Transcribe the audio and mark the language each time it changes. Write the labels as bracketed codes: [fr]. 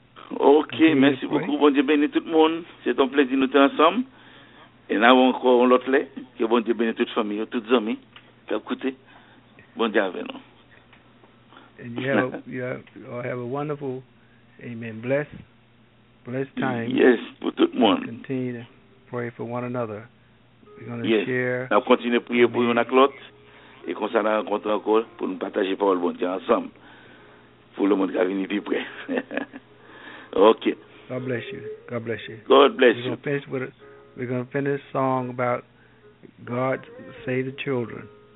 [fr] Okay, merci beaucoup. Bon Dieu bénisse tout le monde. C'est un plaisir de nous être ensemble. Et là, on croit en l'autre là. Que bon Dieu bénisse toute famille, toutes amies. Écoutez, bon Dieu avec nous. [en] And you have a wonderful, amen, blessed time. Yes, [fr] pour tout le monde. [en] Continue to pray for one another. We're going to share. [fr] On continue à prier pour une autre l'autre. Et qu'on s'en rencontre encore pour nous partager par le bon Dieu ensemble. Pour le monde qui a venu plus près. Ok. [en] God bless you. God bless you. God bless you. We're going to finish a song about God save the children.